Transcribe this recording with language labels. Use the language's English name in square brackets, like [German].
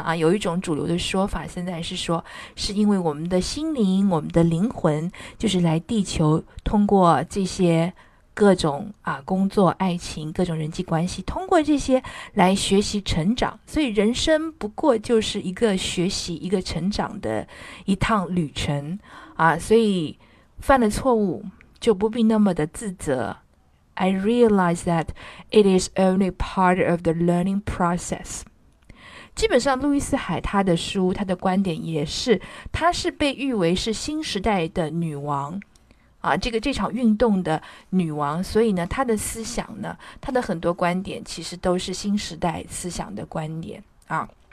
[Chinese] 啊，有一种主流的说法，现在是说，是因为我们的心灵、我们的灵魂，就是来地球，通过这些各种啊工作、爱情、各种人际关系，通过这些来学习成长。所以人生不过就是一个学习、一个成长的一趟旅程啊。所以犯了错误，就不必那么的自责。 [English] I realize that it is only part of the learning process. [Chinese] 基本上路易斯海他的书，他的观点也是，他是被誉为是新时代的女王啊，这场运动的女王。所以呢，他的思想呢，他的很多观点其实都是新时代思想的观点啊。